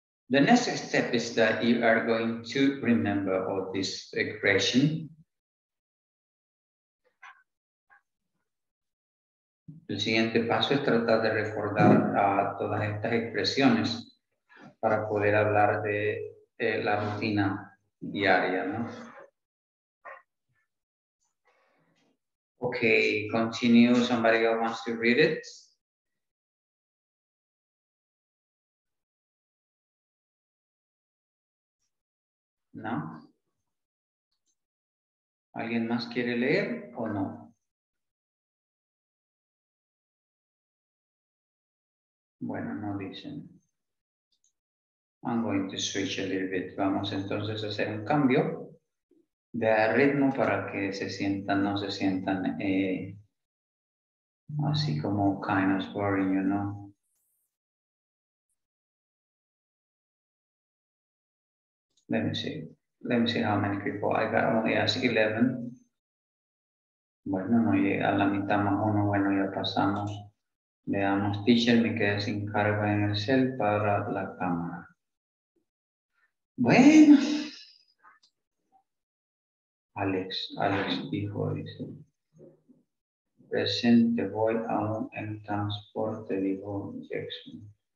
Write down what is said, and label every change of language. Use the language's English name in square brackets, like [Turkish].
[English] The next step is that you are going to remember all this expression. [Spanish] El siguiente paso es tratar de recordar todas estas expresiones para poder hablar de la rutina diaria, ¿no? [English] Okay, continue. Somebody else wants to read it. [Spanish] No. ¿Alguien más quiere leer o no? Bueno, no dicen. [English] I'm going to switch a little bit. [Spanish] Vamos entonces a hacer un cambio de ritmo para que se sientan, no se sientan así como [English] kind of boring, you know. Let me see how many people I got. Only ask 11. [Spanish] Bueno, no llega a la mitad más uno. Bueno, ya pasamos. Veamos, teacher, me quedé sin carga en el cel para la cámara. Bueno. Alex dijo, dice. Presente, voy aún en transporte, dijo Jackson.